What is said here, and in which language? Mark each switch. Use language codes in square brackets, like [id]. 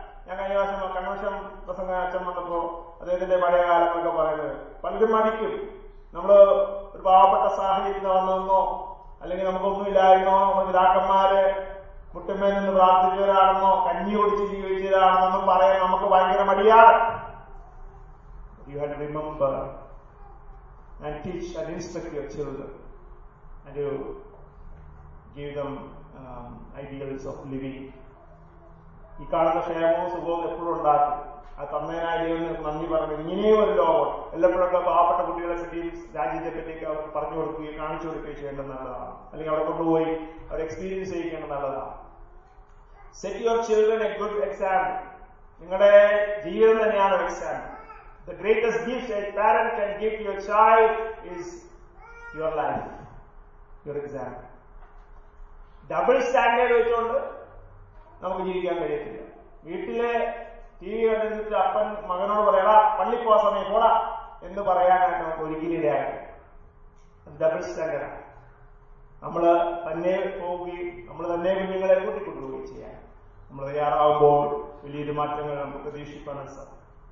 [ml] ഞാൻ കഴിഞ്ഞ വർഷം കൺവെൻഷൻ പ്രസംഗ അച്ഛൻ വന്നപ്പോ അദ്ദേഹത്തിന്റെ പഴയകാലങ്ങളൊക്കെ പറയുന്നത് പലരും മടിക്കും. നമ്മള് ഒരു പാവപ്പെട്ട സാഹചര്യത്തിൽ വന്നോ, അല്ലെങ്കിൽ നമുക്കൊന്നുമില്ലായിരുന്നോ, നമ്മുടെ പിതാക്കന്മാര് മുട്ടമ്മേൽ നിന്ന് പ്രാർത്ഥിച്ചവരാണെന്നോ കഞ്ഞി ഓടിച്ച് ജീവിച്ചവരാണെന്നൊന്നും പറയാൻ നമുക്ക് ഭയങ്കര മടിയാണ്. [en] You have to remember and teach and instruct your children and you give them ideals of living. [ml] ഈ കാണുന്ന ക്ഷേമവും സുഖവും എപ്പോഴും ഉണ്ടാക്കും. ആ തന്നേനായ ദൈവം നന്ദി പറഞ്ഞു. ഇങ്ങനെയും ഒരു ലോകം എല്ലപ്പോഴൊക്കെ പാവപ്പെട്ട കുട്ടികളെ പറ്റിയും രാജ്യത്തെ പറ്റിയൊക്കെ അവർക്ക് പറഞ്ഞു കൊടുക്കുകയും കാണിച്ചു കൊടുക്കുകയും ചെയ്യേണ്ടതാണ്, അല്ലെങ്കിൽ അവിടെ കൊണ്ടുപോയി അവർ experience ചെയ്യിക്കേണ്ടതാണ്. [en] Set your children a good example. [ml] നിങ്ങളുടെ ജീവിതം തന്നെയാണ് ഒരു example. [en] The greatest gift a parent can give to your child is your life, your example. Double standard [ml] വെച്ചുകൊണ്ട് നമുക്ക് ജീവിക്കാൻ കഴിയത്തില്ല. വീട്ടിലെ ടി വി കണ്ടിട്ട് അപ്പൻ മകനോട് പറയടാ പള്ളി പോ സമയം പോട എന്ന് പറയാനായിട്ട് നമുക്ക് ഒരിക്കലും ഡബിൾ സ്റ്റാൻഡേർഡാണ്. നമ്മൾ തന്നെ പോവുകയും നമ്മൾ തന്നെ കുഞ്ഞുങ്ങളെ കൂട്ടിക്കൊണ്ടുപോവുകയും ചെയ്യാൻ നമ്മൾ തയ്യാറാവുമ്പോൾ വലിയൊരു മാറ്റങ്ങൾ നമുക്ക് പ്രതീക്ഷിക്കാൻ സാധിക്കും.